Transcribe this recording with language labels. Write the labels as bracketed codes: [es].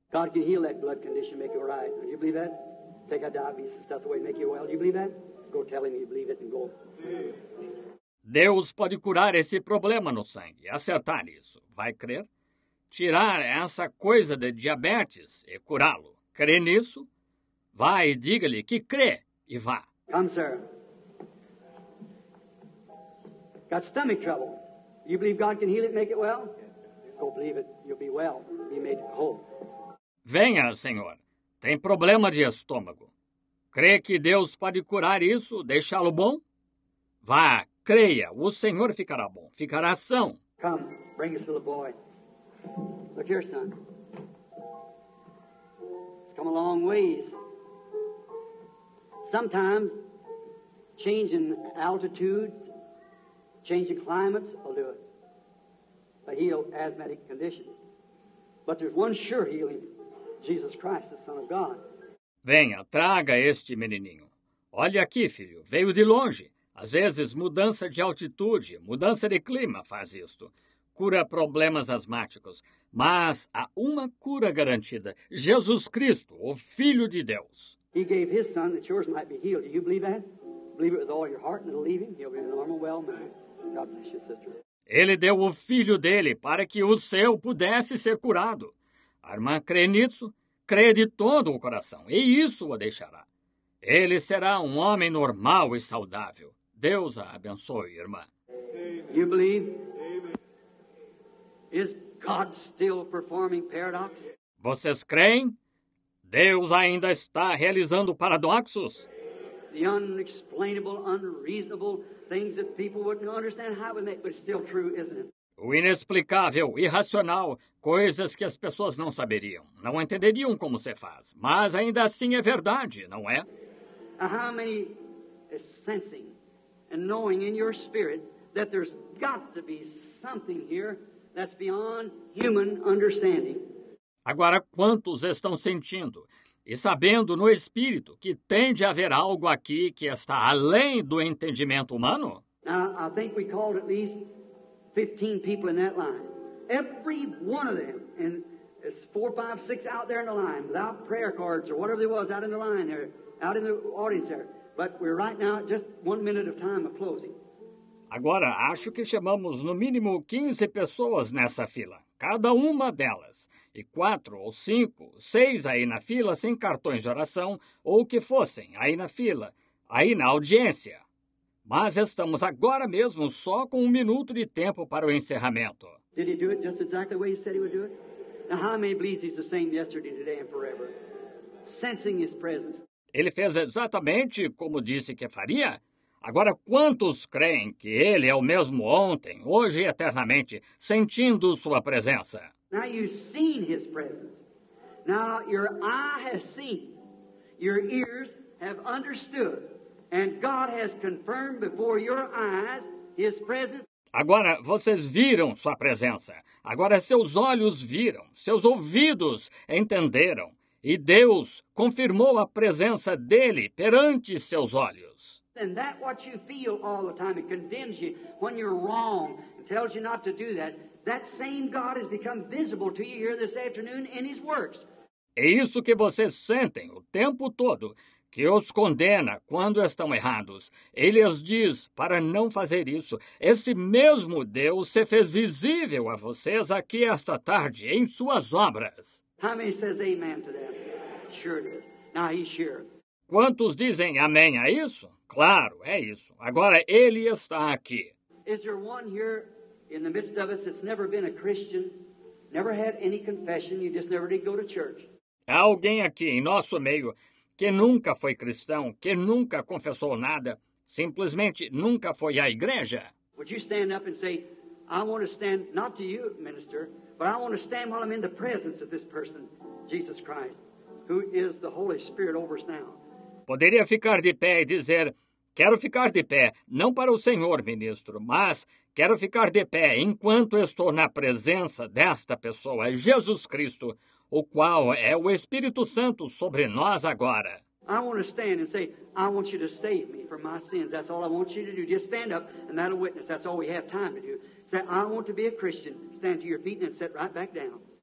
[en] God can heal that blood condition, make you right. Do you believe that? Take a diabetes and stuff away, make you well. Do you believe that? Go tell him you believe it and go. [pt] Deus pode curar esse problema no sangue, acertar isso. Vai crer? Tirar essa coisa de diabetes e curá-lo. Crê nisso? Vá e diga-lhe que crê e vá. [en] Come, sir. Got stomach trouble. You believe God can heal it, make it well? Go believe it. You'll be well. Be made whole. [pt] Venha, senhor. Tem problema de estômago. Crê que Deus pode curar isso, deixá-lo bom? Vá. Creia, o Senhor ficará bom, ficará são. [en] Come, bring us to the boy. Look here, son. It's come a long ways. Sometimes, changing altitudes, changing climates will do it. A healed asthmatic condition. But there's one sure healing, Jesus Christ, the Son of God. [pt] Venha, traga este menininho. Olha aqui, filho, veio de longe. Às vezes, mudança de altitude, mudança de clima faz isto. Cura problemas asmáticos. Mas há uma cura garantida. Jesus Cristo, o Filho de Deus. [en] He gave his son that yours might be healed. Do you believe that? Believe it with all your heart and it'll leave him. He'll be a normal well man. God bless you, sister. [pt] Ele deu o filho dele para que o seu pudesse ser curado. A irmã crê nisso? Crê de todo o coração. E isso o deixará. Ele será um homem normal e saudável. Deus a abençoe, irmã. [en] You believe? Is God still performing paradox? [pt] Vocês creem? Deus ainda está realizando paradoxos? [en] The unexplainable, unreasonable things that people wouldn't understand how we make, but it's still true, isn't it? [pt] O inexplicável, irracional, coisas que as pessoas não saberiam, não entenderiam como se faz. Mas ainda assim é verdade, não é? [en] How many is sensing and knowing in your spirit that there's got to be something here that's beyond human understanding? [pt] Agora, quantos estão sentindo e sabendo no espírito que tem de haver algo aqui que está além do entendimento humano? [en] I think we called at least 15 people in that line. Every one of them, and it's 4, 5, 6 out there in the line, without prayer cards or whatever there was out in the line there, out in the audience there. But we're right now at just 1 minute of time of closing. [pt] Agora, acho que chamamos no mínimo 15 pessoas nessa fila, cada uma delas. E 4 ou 5, 6 aí na fila sem cartões de oração, ou que fossem aí na fila, aí na audiência. Mas estamos agora mesmo só com 1 minuto de tempo para o encerramento. [en] Did he do it just exactly the way he said he would do it? Now, how many believes he's the same yesterday, today and forever? Sensing his presence. [pt] Ele fez exatamente como disse que faria? Agora, quantos creem que ele é o mesmo ontem, hoje e eternamente, sentindo sua presença? [en] Now you've seen his presence. Now your eye has seen. Your ears have understood. And God has confirmed before your eyes his presence. [pt] Agora vocês viram sua presença. Agora seus olhos viram, seus ouvidos entenderam. E Deus confirmou a presença dele perante seus olhos. [en] And that what you feel all the time, it condemns you when you're wrong, it tells you not to do that. That same God has become visible to you here this afternoon in his works. [pt] É isso que vocês sentem o tempo todo, que os condena quando estão errados. Ele os diz para não fazer isso. Esse mesmo Deus se fez visível a vocês aqui esta tarde em suas obras. [en] How many says amen to that? Sure does. Now he's sure. [pt] Quantos dizem amém a isso? Claro, é isso. Agora ele está aqui. [en] Is there one here in the midst of us that's never been a Christian, never had any confession, you just never did go to church? [pt] Há alguém aqui em nosso meio que nunca foi cristão, que nunca confessou nada, simplesmente nunca foi à igreja? [en] Would you stand up and say, I want to stand, not to you, minister, but I want to stand while I'm in the presence of this person, Jesus Christ, who is the Holy Spirit over us now. [pt] Poderia ficar de pé e dizer, quero ficar de pé, não para o Senhor, ministro, mas quero ficar de pé enquanto estou na presença desta pessoa, Jesus Cristo, o qual é o Espírito Santo sobre nós agora. [en] I want to stand and say, I want you to save me from my sins. That's all I want you to do. Just stand up and that'll witness. That's all we have time to do. Say, I want to be a Christian. Stand to your feet and sit right back down.